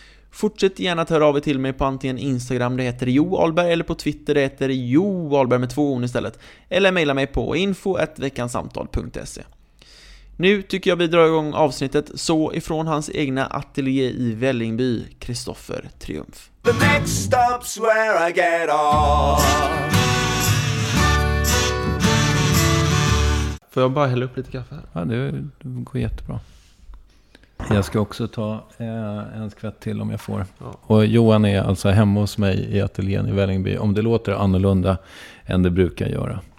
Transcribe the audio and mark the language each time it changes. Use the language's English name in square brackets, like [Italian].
[Swedish] Fortsätt gärna att höra av er till mig på antingen Instagram, det heter Jo Ahlberg, eller på Twitter, det heter Jo Ahlberg med två on istället. Eller mejla mig på info@veckansamtal.se. Nu tycker jag vi drar igång avsnittet, så ifrån hans egna ateljé i Vällingby, Kristoffer Triumf. [English] The next stop's where I get off. [Swedish] Får jag bara hälla upp lite kaffe här? Ja, det går jättebra. Jag ska också ta en skvätt till om jag får. Ja. Och Johan är alltså hemma hos mig i ateljén i Vällingby. Om det låter annorlunda än det brukar göra.